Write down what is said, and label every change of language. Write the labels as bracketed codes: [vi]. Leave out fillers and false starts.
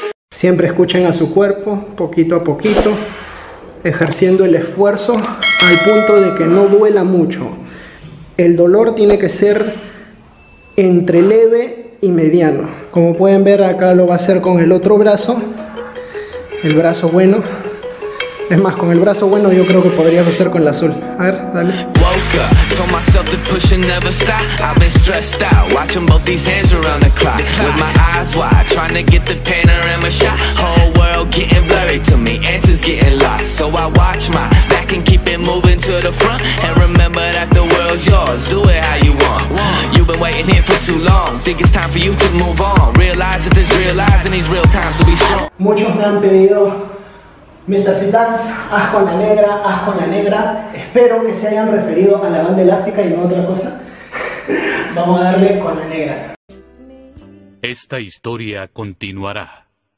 [es] Siempre escuchen a su cuerpo, poquito a poquito, ejerciendo el esfuerzo al punto de que no duela mucho. El dolor tiene que ser entre leve y mediano. Como pueden ver, acá lo va a hacer con el otro brazo, el brazo bueno. Es más, con el brazo bueno yo creo que podrías hacer con el azul. A ver, dale. [en] Told myself to push and never stop. I've been stressed out, watching both these hands around the clock. With my eyes wide, trying to get the panorama shot. Whole world getting blurry to me, answers getting lost. So I watch my back and keep it moving to the front. And remember that the world's yours, do it how you want. You've been waiting here for too long, think it's time for you to move on. Realize that there's real lives and these real times will be strong. [es] Muchos me han pedido, Mr. Fit Dance, haz con la negra, haz con la negra. Espero que se hayan referido a la banda elástica y no a otra cosa. Vamos a darle con la negra. Esta historia continuará.